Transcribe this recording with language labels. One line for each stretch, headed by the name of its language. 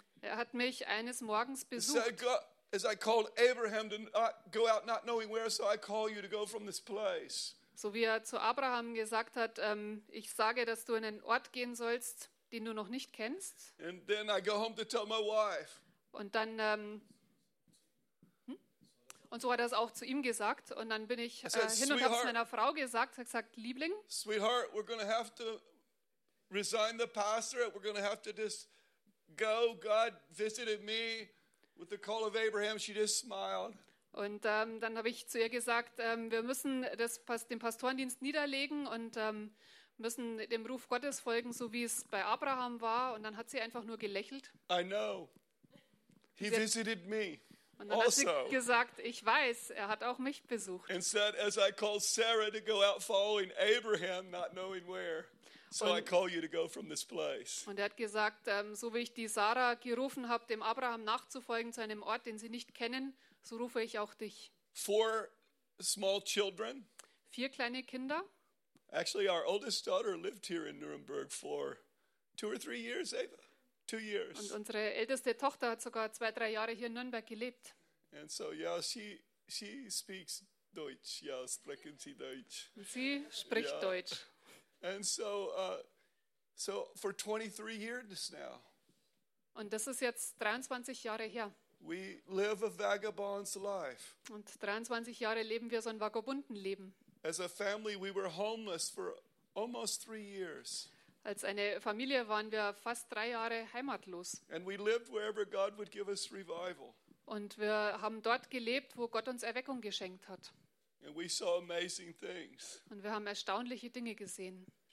German: Er hat mich eines Morgens besucht.
English: As I called Abraham to not go out, not knowing where, so I call you to go from this place.
German: So wie er zu Abraham gesagt hat, ich sage, dass du in einen Ort gehen sollst, den du noch nicht kennst.
English: And then I go home to tell my wife.
German: Und dann und so hat er es auch zu ihm gesagt. Und dann bin ich hin und habe es meiner Frau gesagt. Ich habe gesagt, Liebling.
English: Sweetheart, we're going to have to resign the pastorate. We're going to have to just go. God visited me with the call of Abraham. She just smiled.
German: Und dann habe ich zu ihr gesagt, wir müssen den Pastorendienst niederlegen und müssen dem Ruf Gottes folgen, so wie es bei Abraham war. Und dann hat sie einfach nur gelächelt.
English: I know. He visited me.
German: Und dann also hat sie gesagt, ich weiß, er hat auch mich besucht.
English: And said, as I called Sarah to go out following Abraham, not knowing where. So I call you to go from this place.
German: Und er hat gesagt, so wie ich die Sarah gerufen habe, dem Abraham nachzufolgen zu einem Ort, den sie nicht kennen, so rufe ich auch dich.
English: 4 small children.
German: 4 kleine Kinder.
English: Actually, our oldest daughter lived here in Nuremberg for 2 or 3 years, Ava. 2 years.
German: Und unsere älteste Tochter hat sogar 2, 3 Jahre hier in Nürnberg gelebt.
English: And so, yeah, she speaks Deutsch.
German: Ja, sprechen Sie Deutsch. Sie spricht yeah. Deutsch.
English: And so for 23 years now.
German: Und das ist jetzt 23 Jahre her.
English: We live a vagabond's life.
German: Und 23 Jahre leben wir so ein Vagabundenleben.
English: As a family, we were homeless for almost 3 years.
German: Als eine Familie waren wir fast 3 Jahre heimatlos.
English: And we lived wherever God would give us revival.
German: Und wir haben dort gelebt, wo Gott uns Erweckung geschenkt hat.
English: And we saw amazing things.
German: Und wir haben erstaunliche Dinge gesehen.